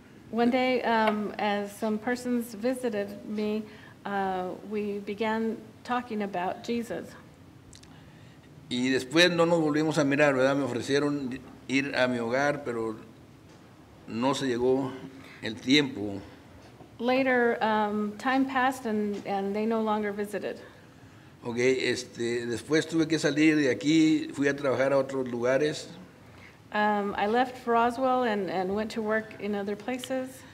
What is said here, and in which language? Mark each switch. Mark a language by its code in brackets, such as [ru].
[en] One day, as some persons visited me, we began talking about Jesus. [es] Y después no nos volvimos a mirar, ¿verdad? Me ofrecieron ir a mi hogar, pero no se llegó el tiempo. [en] Later, time passed and they no longer visited. [es] Okay, después tuve que salir de aquí, fui a trabajar a otros lugares. [en] I left Roswell and went to work in other places.